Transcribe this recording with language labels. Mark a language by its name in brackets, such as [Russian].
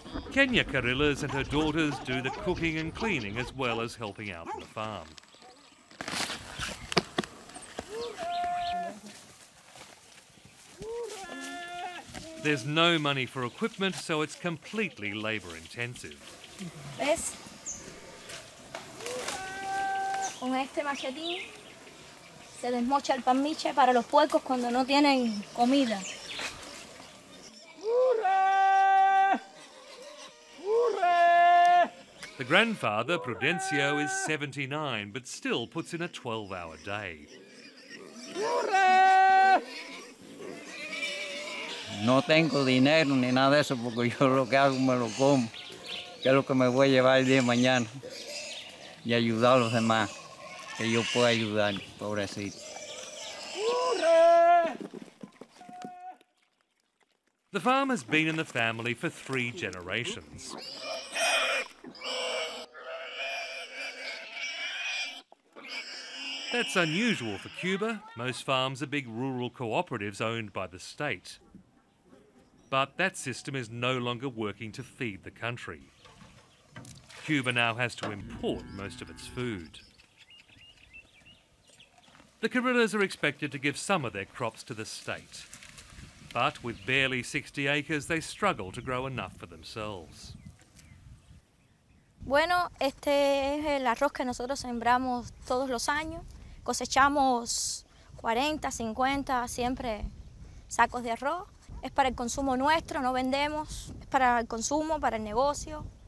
[English] Kenya Carillas and her daughters do the cooking and cleaning as well as helping out on the farm. There's no money for equipment, so it's completely labour-intensive. [Spanish] ¿Ves? Con este machetín se desmocha el palmiche para los puercos cuando no tienen comida. ¡Hurra! ¡Hurra! [English] The grandfather, Prudencio, is 79, but still puts in a 12-hour day. [Spanish] ¡Hurra! No tengo dinero ni nada de eso porque yo lo que hago me lo como. Que es lo que me voy a llevar el día de mañana. Y ayudar a los demás. Que yo pueda ayudar, pobrecito. [English] The farm has been in the family for three generations. That's unusual for Cuba. Most farms are big rural cooperatives owned by the state. But that system is no longer working to feed the country. Cuba now has to import most of its food. The Carillas are expected to give some of their crops to the state. But with barely 60 acres, they struggle to grow enough for themselves. [Spanish] Bueno, este es el arroz que nosotros sembramos todos los años. Cosechamos 40, 50, siempre sacos de arroz. Es para el consumo nuestro, no vendemos. Es para el consumo, para el negocio.